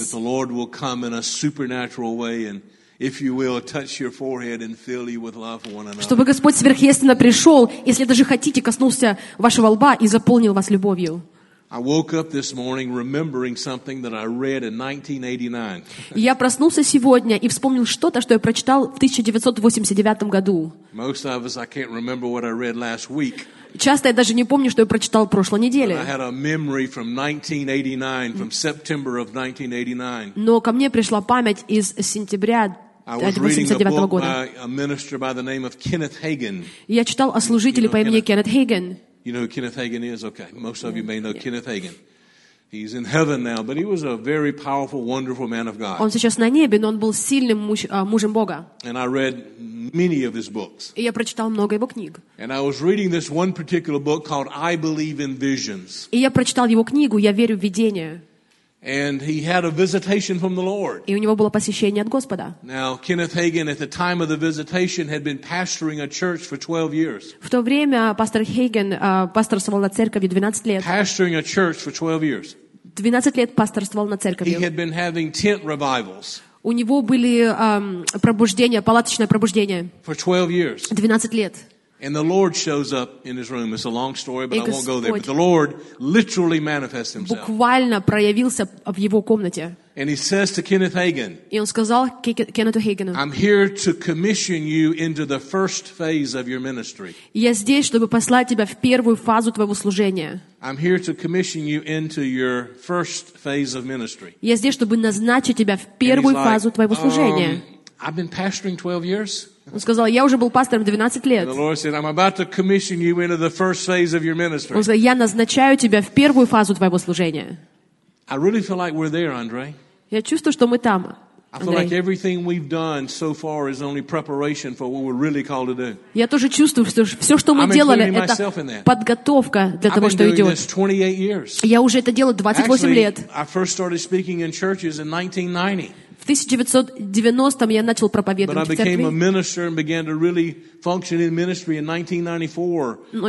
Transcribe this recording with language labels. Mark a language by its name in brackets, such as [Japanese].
[English] That the Lord will come in a supernatural way and if you will, touch your forehead and fill you with love for one another. [Russian] Чтобы Господь сверхъестественно пришел, если даже хотите, коснулся вашего лба и заполнил вас любовью. [English] I woke up this morning remembering something that I read in 1989. [Russian] Я проснулся сегодня и вспомнил что-то, что я прочитал в 1989 году. [English] Most of us, I can't remember what I read last week. [Russian] Часто я даже не помню, что я прочитал в прошлой неделе. [English] I had a memory from 1989, from September of 1989. [Russian] Но ко мне пришла память из сентября 1989 года. [English] I was reading a book by a minister by the name of Kenneth Hagin. [Russian] Я читал о служителе по имени Кеннет Хейген. [English] You know who Kenneth Hagin is? Okay, most of you may know Kenneth Hagin. He's in heaven now, but he was a very powerful, wonderful man of God. [Russian] Он сейчас на небе, но он был сильным мужем Бога. [English] And I read many of his books. [Russian] И я прочитал много его книг. [English] And I was reading this one particular book called "I Believe in Visions." [Russian] И я прочитал его книгу "Я верю в видения." [English] And he had a visitation from the Lord. [Russian] И у него было посещение от Господа. [English] Now, Kenneth Hagin, at the time of the visitation, had been pastoring a church for 12 years. [Russian] В то время пастор Хейген пасторствовал на церкви 12 лет. [English] Pastoring a church for 12 years. [Russian] 12 лет пасторствовал на церкви. [English] He had been having tent revivals. [Russian] У него были пробуждения, палаточное пробуждение. [English] For 12 years. [Russian] 12 лет. [English] And the Lord shows up in his room. It's a long story, but I won't go there. But the Lord literally manifests himself. [Russian] Буквально проявился в его комнате. [English] And he says to Kenneth Hagin, [Russian] и он сказал Кеннету Хейгену, [English] I'm here to commission you into the first phase of your ministry. [Russian] Я здесь, чтобы послать тебя в первую фазу твоего служения. [English] I'm here to commission you into your first phase of ministry. [Russian] Я здесь, чтобы назначить тебя в первую фазу твоего служения. [English] I've been pastoring 12 years. [Russian] Он сказал, я уже был пастором 12 лет. [English] The Lord said, I'm about to commission you into the first phase of your ministry. [Russian] Он сказал, я назначаю тебя в первую фазу твоего служения. [English] I really feel like we're there, Andre. [Russian] Я чувствую, что мы там, Андрей. [English] I feel like everything we've done so far is only preparation for what we're really called to do. [Russian] Я тоже чувствую, что все, что мы делали, это подготовка для того, что идет. [English] I've been doing this 28 years. [Russian] Я уже это делаю 28 лет. [English] Actually, I first started speaking in churches in 1990. [Russian] В 1990-м я начал проповедовать в церкви. Но